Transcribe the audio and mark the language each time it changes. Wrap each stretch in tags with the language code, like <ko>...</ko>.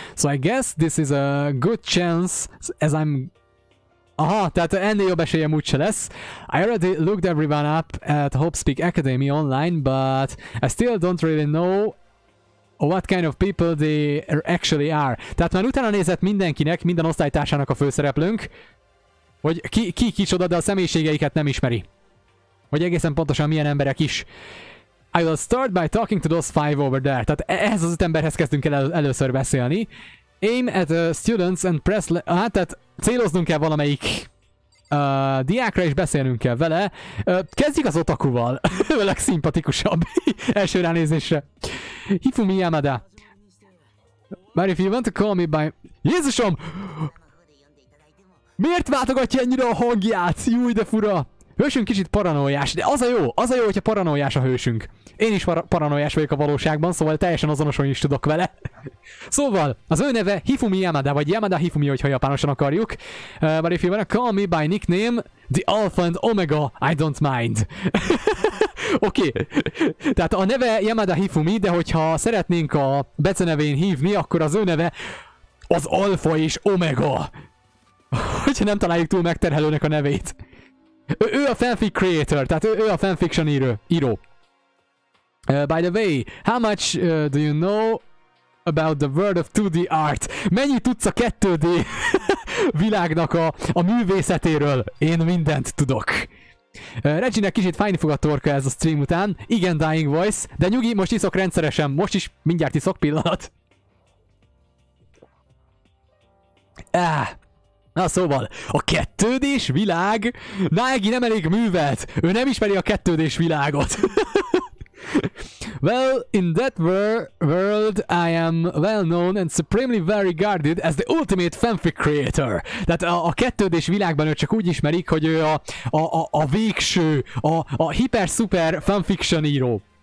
<en>So I guess this is a good chance, as I'm...</en> <hu>Aha, tehát ennél jobb esélyem úgyse lesz.</hu> <en>I already looked everyone up at HopeSpeak Academy online, but I still don't really know what kind of people they actually are.</en> <hu>Tehát már utána nézett mindenkinek, minden osztálytársának a főszereplőnk, hogy ki kicsoda, de a személyiségeiket nem ismeri. Hogy egészen pontosan milyen emberek is.</hu> <en>I will start by talking to those five over there.</en> <hu>Tehát ehhez az öt emberhez kezdünk el először beszélni.</hu> <en>Aim at students and press...</en> <hu>Hát, tehát céloznunk kell valamelyik diákra, és beszélnünk kell vele. Kezdjük az otakuval. A legszimpatikusabb első ránézésre. Hifumi Yamada.</hu> <en>But if you want to call me by...</en> <hu>Jézusom! Miért váltogatja ennyire a hangját? Júj, de fura! Hősünk kicsit paranoiás, de az a jó, hogyha paranoiás a hősünk. Én is paranoiás vagyok a valóságban, szóval teljesen azonosulni is tudok vele. Szóval, az ő neve Hifumi Yamada, vagy Yamada Hifumi, hogyha japánosan akarjuk.</hu> <en>But if you wanna call me by nickname, the Alpha and Omega, I don't mind.</en> <hu>Oké, okay. Tehát a neve Yamada Hifumi, de hogyha szeretnénk a becenevén hívni, akkor az ő neve az Alpha és Omega. Hogyha nem találjuk túl megterhelőnek a nevét. Ő a fanfic creator, tehát ő a fanfiction író.</hu> <en>By the way, how much do you know about the world of 2D art?</en> <hu>Mennyi tudsz a 2D világnak a művészetéről? Én mindent tudok. Reginek kicsit fájni fog a torka ez a stream után. Igen, Dying Voice, de nyugi, most iszok rendszeresen. Most is mindjárt iszok, pillanat. Na szóval, a 2D-s világ? Nagi nem elég művelt, ő nem ismeri a 2D-s világot.</hu> <en>Well, in that world I am well known and supremely well regarded as the ultimate fanfic creator.</en> <hu>Tehát a 2D-s világban ő csak úgy ismerik, hogy ő a végső, a hiper-super fanfiction író.</hu>